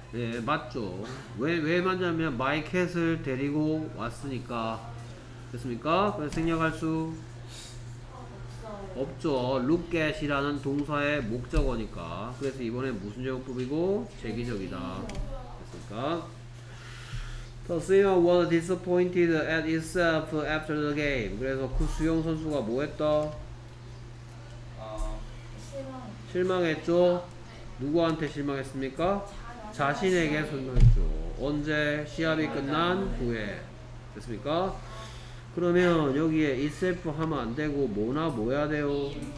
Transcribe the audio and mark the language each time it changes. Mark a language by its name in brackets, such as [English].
[Korean] 예 맞죠. 왜 맞냐면 마이 캣을 데리고 왔으니까 됐습니까? 그래서 생략할 수. 없죠. look at이라는 동사의 목적어니까. 그래서 이번에 무슨 형용법이고 재기적이다. 됐습니까? [English] The singer was disappointed at itself after the game. [Korean] 그래서 그 수영 선수가 뭐 했다? 실망했죠? 누구한테 실망했습니까? 자신에게 실망했죠. 언제 시합이 끝난 후에. 됐습니까? 그러면 여기에 itself 하면 안 되고 뭐나 뭐야 돼요?